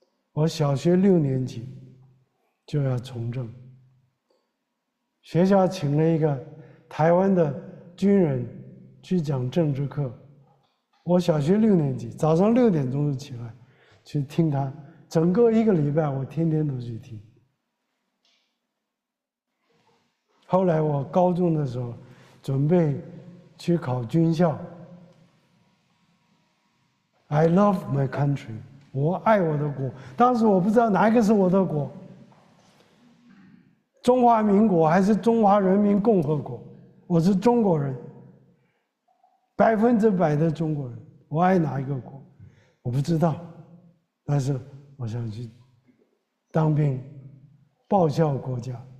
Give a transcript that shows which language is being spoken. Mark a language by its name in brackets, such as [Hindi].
[Chinese] 我小学6年级就要从政，学校请了一个台湾的军人去讲政治课。我小学6年级，早上6点钟就起来，去听他整个一个礼拜我天天都去听。后来我高中的时候，准备去考军校。 [English] I love my country， [Chinese] 我爱我的国。当时我不知道哪一个是我的国，中华民国还是中华人民共和国？我是中国人，100%的中国人。我爱哪一个国？我不知道，但是我想去当兵，报效国家。